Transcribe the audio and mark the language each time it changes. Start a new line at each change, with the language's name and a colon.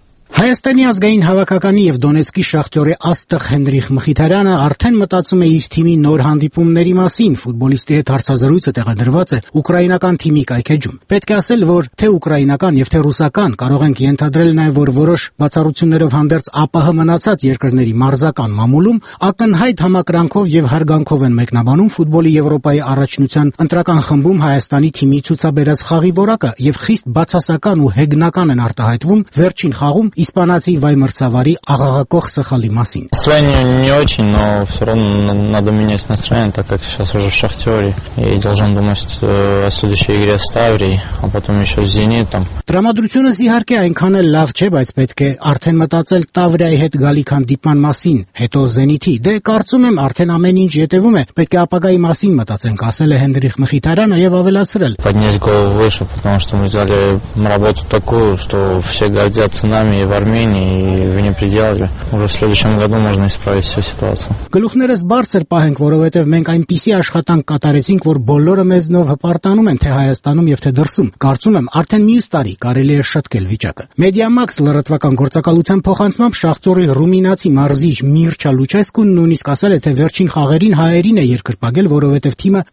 Armenian: Հայաստանի ազգային հավաքականի և Դոնեցկի Շախտյորի աստղ Հենրիխ Մխիթարյանը արդեն մտածում է իր թիմի նոր հանդիպումների մասին։ Ֆուտբոլիստի հետ հարցազրույցը տեղադրված է ուկրաինական թիմի կայքեջում։ Պետք է ասել, որ թե ուկրաինական և թե ռուսական, կարող ենք ենթադրել նաև, որ որոշ բացառություններով հանդերձ ԱՊՀ մնացած երկրների մարզական մամուլում ակնհայտ համակրանքով և հարգանքով են մեկնաբանում ֆուտբոլի Եվրոպայի առաջնության ընտրական խմբում Հայաստանի թիմի ցուցաբերած խաղի որակը և խիստ բացասական ու հեգնական են արտահայտվում վերջին խաղում իսպանացի վայ մրցավարի աղաղակող սխալի մասին։
Russian: Настроение не очень, но всё равно надо менять настроение, так как сейчас уже в Шахтёре и должен думать о следующей игре с Таврией, а потом ещё с Зенитом.
Armenian: Դրամատրությունը իհարկե այնքան էլ լավ չէ, բայց պետք է արդեն մտածել Տավրիայի հետ գալի հանդիպման մասին, հետո Զենիթի։ Դե կարծում եմ արդեն ամեն ինչ յետևում է, պետք է ապագայի մասին մտածենք, ասել է Հենդրիխ Մխիթարյանը եւ ավելացրել։
Russian: Поднес голову выше, потому что мы взяли работу такую, что все гордятся нами и в Армении, и вне пределов. Уже в следующем году можно исправить всю ситуацию.
Armenian: Գլուխներս բարձր պահենք, որովհետև մենք այնպիսի աշխատանք կատարեցինք, որ բոլորը մեզնով հպարտանում են, թե Հայաստանում եւ թե դրսում։ Կարծում եմ, արդեն մյուս տարի կարելի է շտկել վիճակը։ Մեդիամաքս լրատվական գործակալության փոխանցումը Շախտյորի ռումինացի մարզիչ Միրչա Լուչեսկուն նույնիսկ ասել է, թե վերջին խաղերին հայերին է երկրպագել, որովհետև թիմը